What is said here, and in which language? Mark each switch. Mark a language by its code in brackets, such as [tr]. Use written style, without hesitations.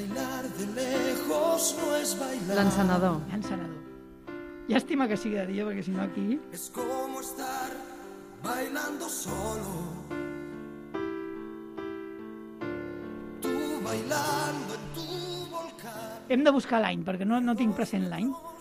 [es] bailar de lejos no es bailar. [ca] L'encenador. L'encenador. Llàstima que sigui de dia, perquè si no aquí... [es] Es como estar bailando solo. Tú bailando en tu volcán. [ca] Hem de buscar l'any, perquè no tinc present l'any.